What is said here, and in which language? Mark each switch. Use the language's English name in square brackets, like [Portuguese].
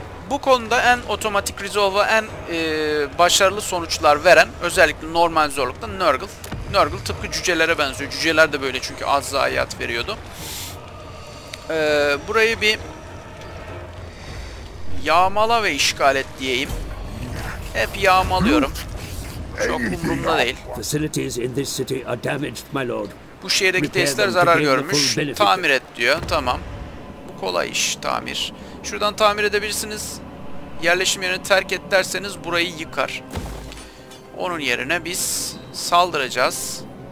[Turkish] Bu konuda en otomatik resolve'a en başarılı sonuçlar veren özellikle normal zorlukta Nurgle. Nurgle tıpkı cücelere benziyor. Cüceler de böyle çünkü az zayiat veriyordu. Burayı bir yağmala ve işgal et diyeyim. Hep yağmalıyorum. Çok umurumda değil. [English] Facilities in this city are damaged, my lord. [Turkish] Bu şehirdeki tesisler zarar görmüş. Tamir et diyor. Tamam. Bu kolay iş, tamir. Şuradan tamir edebilirsiniz. Yerleşim yerini terk et derseniz burayı yıkar. Onun yerine biz saldıracağız.